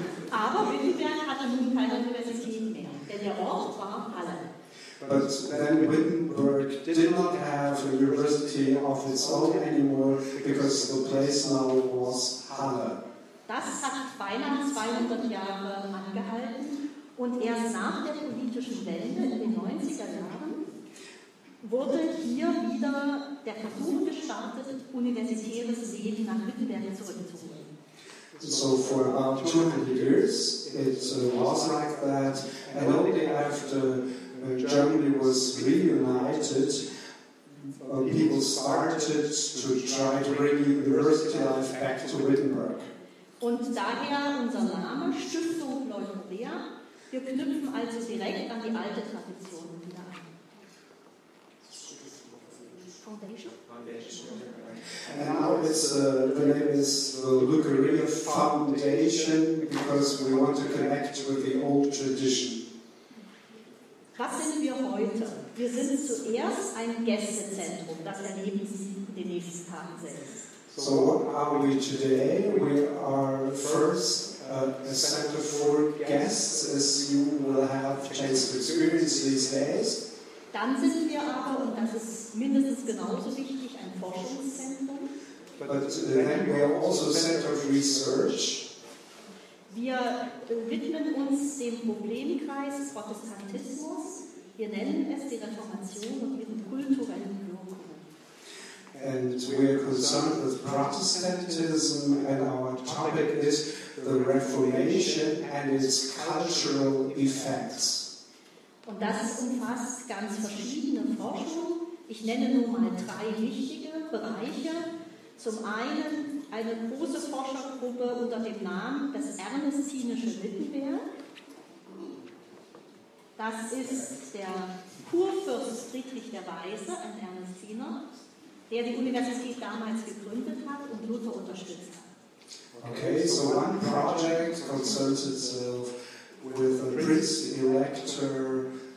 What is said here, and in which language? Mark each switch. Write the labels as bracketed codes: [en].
[de] Aber Wittenberg hatte nun keine Universität mehr, denn der Ort war Halle. [en] But then Wittenberg did not have a university of its own anymore, because the place now was Halle. [de] Das hat beinahe 200 Jahre angehalten. Und erst nach der politischen Wende in den 90er Jahren wurde hier wieder der Versuch gestartet, universitäres Leben nach Wittenberg zurückzuholen. [en] So for about 200 years, it was like that, and only after Germany was reunited, people started to try to bring university life back to Wittenberg. [de] Und daher unser Name, Stiftung Leuchtenberg. Wir knüpfen also direkt an die alte Tradition wieder an. [en] And now it's the name is the Lucaria Foundation because we want to connect with the old tradition. [de] Was sind wir heute? Wir sind zuerst ein Gästezentrum, das erleben Sie in den nächsten Tagen selbst. [en] So what are we today? We are first a center for guests, as you will have a chance to experience these days. [de] Dann sind wir aber, und das ist mindestens genauso wichtig, ein Forschungszentrum. [en] But then we are also a center of research. [de] Wir widmen uns dem Problemkreis des Protestantismus. Wir nennen es die Reformation und ihren kulturellen Wirkungen. [en] And we are concerned with Protestantism, and our topic is the Reformation and its cultural effects. [de] Und das umfasst ganz verschiedene Forschungen. Ich nenne nur mal drei wichtige Bereiche. Zum einen eine große Forschergruppe unter dem Namen das Ernestinische Wittenberg. Das ist der Kurfürst Friedrich der Weise, ein Ernestiner, der die Universität damals gegründet hat und Luther unterstützt hat. [en] Okay, so one project concerns itself with a Prince Elector.